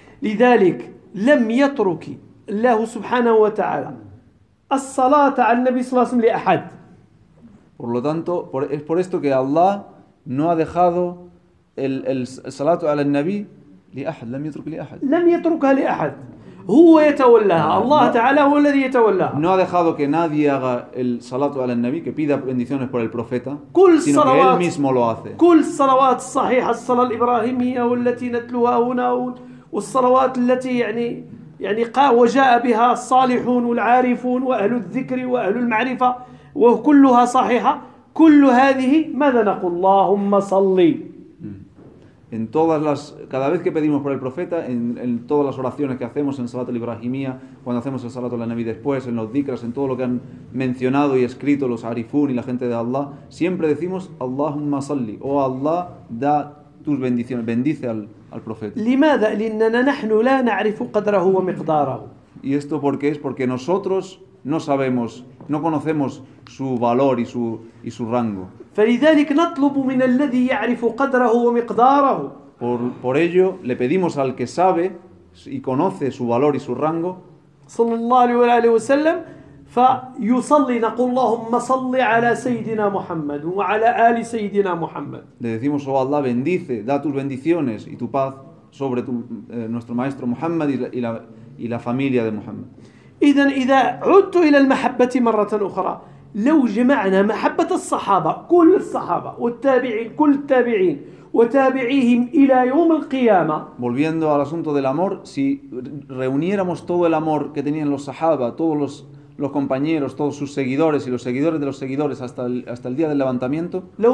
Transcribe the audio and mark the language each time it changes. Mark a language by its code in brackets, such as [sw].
[ar] لذلك لم يترك الله سبحانه وتعالى الصلاة على النبي صلى الله عليه وسلم لأحد. [es] Por lo tanto, es por esto que Allah no ha dejado el [ar] صلاة على النبي لأحد. لم يترك لأحد. لم يتركها لأحد. هو يتولاها. الله تعالى هو الذي يتولاها. [es] No ha dejado que nadie haga el [ar] صلاة على النبي, [es] que pida bendiciones por el profeta. [ar] كل [es] sino [ar] الصلوات. [es] Que él mismo lo hace. [ar] كل الصلوات الصحيحة, الصلاة الإبراهيمية والتي نتلوها هنا والصلوات التي يعني يعني قا وجاء بها الصالحون والعارفون وأهل الذكر وأهل المعرفة وكلها صحيحة كل هذه ماذا نقول اللهم صلي. [es] En todas las cada vez que pedimos por el profeta en todas las oraciones que hacemos en Salat al-Ibrahimiyya cuando hacemos el Salat al-Nabi después en los dhikras en todo lo que han mencionado y escrito los arifun y la gente de Allah siempre decimos [ar] Allahumma salli [es] o Allah da tus bendiciones bendice al [ar] لماذا لأننا نحن لا نعرف قدره ومقداره. [es] Y esto por qué es porque nosotros no sabemos, no conocemos su valor y su rango. [ar] فلذلك نطلب من الذي يعرف قدره ومقداره. [es] Por ello le pedimos al que sabe y conoce su valor y su rango. [ar] صلى الله عليه وسلم فيصلي نقول اللهم صل على سيدنا محمد وعلى آل سيدنا محمد. [es] Le decimos oh Allah bendice, da tus bendiciones y tu paz sobre tu nuestro maestro Muhammad y la familia de Muhammad. [ar] إذا عدت إلى المحبة مرة أخرى لو جمعنا محبة الصحابة كل الصحابة والتابعين كل التابعين وتابعيهم إلى يوم القيامة. [es] Volviendo al asunto del amor, si reuniéramos todo el amor que tenían los Sahaba, todos los compañeros, todos sus seguidores y los seguidores de los seguidores hasta el día del levantamiento.